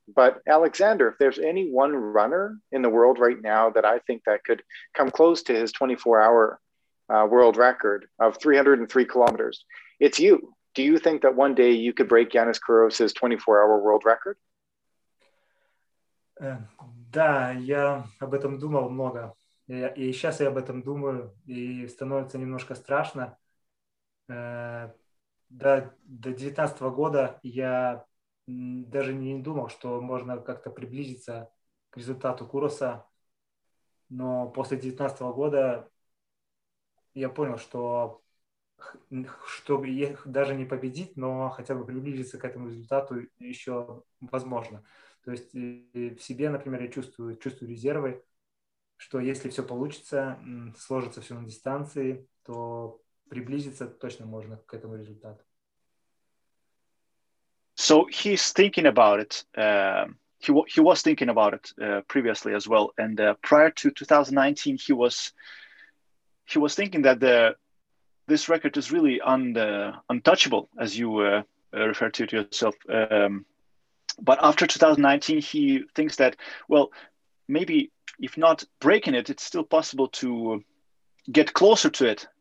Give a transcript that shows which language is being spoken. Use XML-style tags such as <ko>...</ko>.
<en>But Alexander, if there's any one runner in the world right now that I think that could come close to his 24-hour world record of 303 kilometers, it's you. Do you think that one day you could break Yannis Kyrgios' 24-hour world record?</en> <ru>Да, я об этом думал много. И сейчас я об этом думаю, и становится немножко страшно. До 19 года я даже не думал, что можно как-то приблизиться к результату Куроса. Но после 19 года я понял, чтобы их даже не победить, но хотя бы приблизиться к этому результату еще возможно. То есть в себе, например, я чувствую резервы, что если все получится, сложится все на дистанции, то приблизиться точно можно к этому результату.</ru> <en>So he's thinking about it. He was thinking about it previously as well. And prior to 2019, he was thinking that this record is really untouchable, as you referred to yourself. But after 2019, he thinks that, well, maybe if not breaking it, it's still possible to get closer to it.</en>